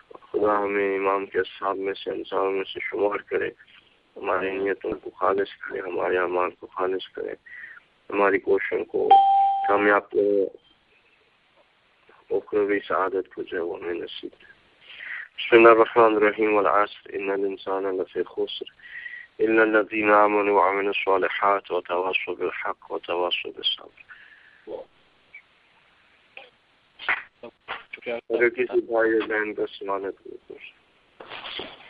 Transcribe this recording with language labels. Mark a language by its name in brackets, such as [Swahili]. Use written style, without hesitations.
[Urdu] خدا ہمیں امام کے اصحاب میں سے انصاروں میں سے شمار کرے, ہماری نیتوں کو خالص کرے, ہمارے اعمال کو خالص کرے, ہماری کوششوں کو کامیاب کرے, سعادت کو جو ہے وہ ہمیں نصیب دے. [Arabic] بسم اللہ الرحمن الرحیم, والعصر ان الانسان لفی خسر الا الذين امنوا وعملوا الصالحات وتواصوا بالحق وتواصوا بالصبر. [Urdu] اگر کسی بھائی اور بہن کا سوال ہے تو پوچھ.